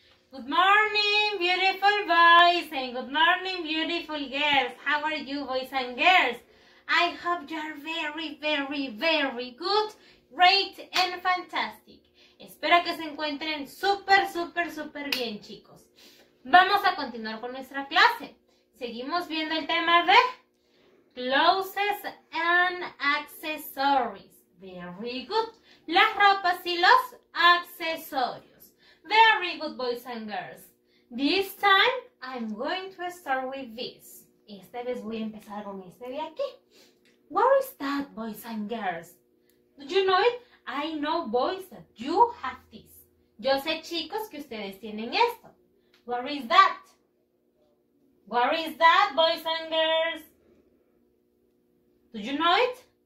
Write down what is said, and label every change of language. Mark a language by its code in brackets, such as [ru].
[en] Good morning, beautiful boys, and good morning, beautiful girls. How are you, boys and girls? I hope you are very, very, very good, great, and fantastic. [es] Espero que se encuentren súper, súper, súper bien, chicos. Vamos a continuar con nuestra clase. Seguimos viendo el tema de [en] clothes and accessories. Very good. [es] Las ropas y los accesorios. [en] Very good, boys and girls. This time, I'm going to start with this. [es] Esta vez voy a empezar con este de aquí. [en] What is that, boys and girls? Do you know it? I know, boys, that you have this. [es] Yo sé, chicos, que ustedes tienen esto. [en] What is that? What is that, boys and girls? Do you know it?